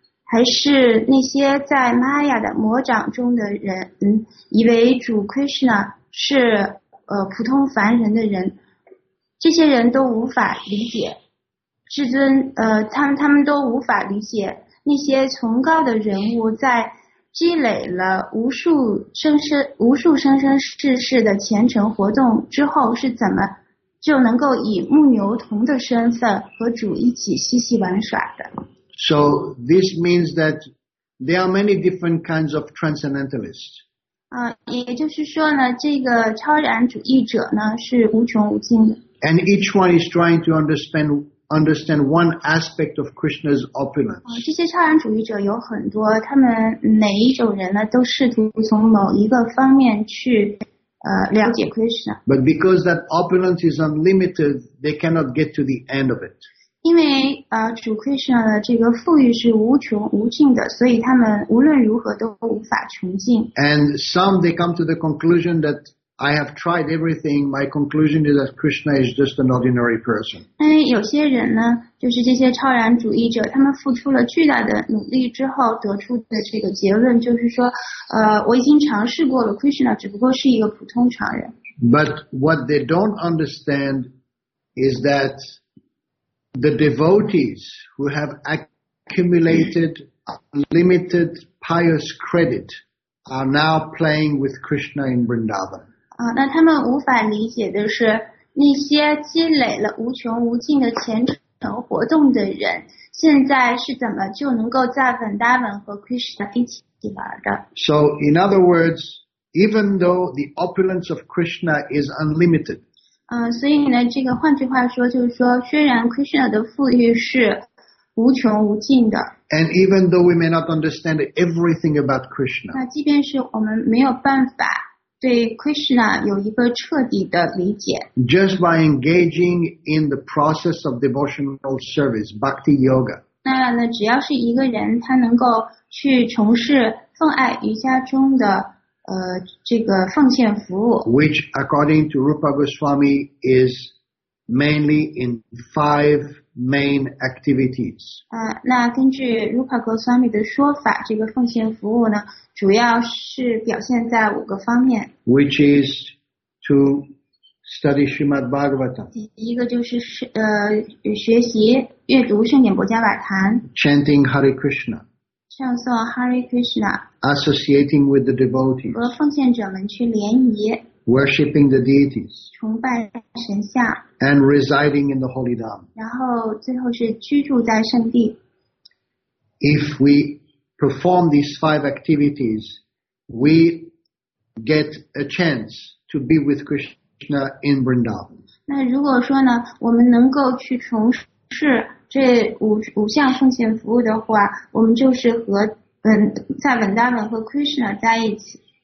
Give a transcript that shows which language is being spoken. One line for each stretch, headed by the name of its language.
Chinese: 还是那些在玛雅的魔掌中的人，以为主 Krishna 是普通凡人的人，这些人都无法理解至尊，他们都无法理解那些崇高的人物在积累了无数生生世世的虔诚活动之后，是怎么就能够以牧牛童的身份和主一起嬉戏玩耍的？
English: So this means that there are many different kinds of transcendentalists.
Chinese: 也就是说呢，这个超然主义者呢是无穷无尽的。
English: And each one is trying to understand one aspect of Krishna's opulence.
Chinese: 这些超然主义者有很多，他们每一种人呢都试图从某一个方面去了解 Krishna.
English: But because that opulence is unlimited, they cannot get to the end of it.
Chinese: 因为主 Krishna 的这个富裕是无穷无尽的，所以他们无论如何都无法穷尽。
English: And some they come to the conclusion that I have tried everything. My conclusion is that Krishna is just an ordinary person.
Chinese: 因为有些人呢，就是这些超然主义者，他们付出了巨大的努力之后得出的这个结论，就是说，我已经尝试过了 ，Krishna 只不过是一个普通常人。
English: But what they don't understand is that the devotees who have accumulated limited pious credit are now playing with Krishna in Vrindavan.
Chinese: 那他们无法理解的是，那些积累了无穷无尽的虔诚活动的人，现在是怎么就能够在本达本和 Krishna 一起玩的
English: ？So in other words, even though the opulence of Krishna is unlimited,
Chinese: 所以呢，这个换句话说就是说，虽然 Krishna 的富裕是无穷无尽的
English: ，and even though we may not understand everything about Krishna,
Chinese: 那即便是我们没有办法。对 Krishna 有一个彻底的理解。
English: Just by engaging in the process of devotional service, bhakti yoga.
Chinese: 那呢，只要是一个人，他能够去从事奉爱瑜伽中的这个奉献服务。
English: Which, according to Rupa Goswami, is mainly in five main activities.
Chinese: 那根据 Rupa Goswami 的说法，这个奉献服务呢？主要是表现在五个方面
English: ，which is to study Srimad Bhagavatam.
Chinese: 一个就是学习阅读圣典博伽瓦坛
English: ，chanting Hare Krishna，
Chinese: 唱诵 Hare Krishna，
English: associating with the devotees，
Chinese: 和奉献者们去联谊
English: ，worshipping the deities，
Chinese: 崇拜神像
English: ，and residing in the holy dham，
Chinese: 然后最后是居住在圣地。
English: If weperform these five activities, we get a chance to be with Krishna in Vrindavan.
Chinese: 那如果说呢，我们能够去从事这五项奉献服务的话，我们就是和在 Vrindavan 和 Krishna 在一起。